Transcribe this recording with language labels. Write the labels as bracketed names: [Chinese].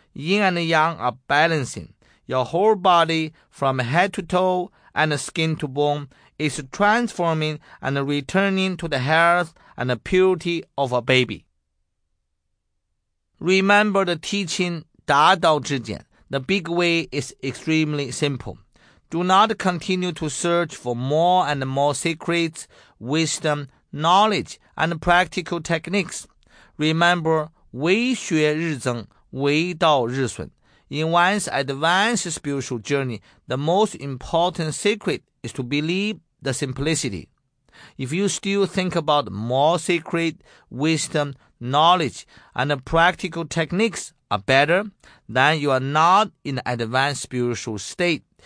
[English] Yin and yang are balancing. Your whole body, from head to toe and skin to bone, is transforming and returning to the health and the purity of a baby. Remember the teaching, [Chinese] 达道之间. [English] The big way is extremely simple. Do not continue to search for more and more secrets, wisdom, knowledge, and practical techniques. Remember, [Chinese] 为学日增, 为道日损. [English] In one's advanced spiritual journey, the most important secret is to believe the simplicity. If you still think about more secret, wisdom, knowledge, and practical techniques are better, then you are not in an advanced spiritual state.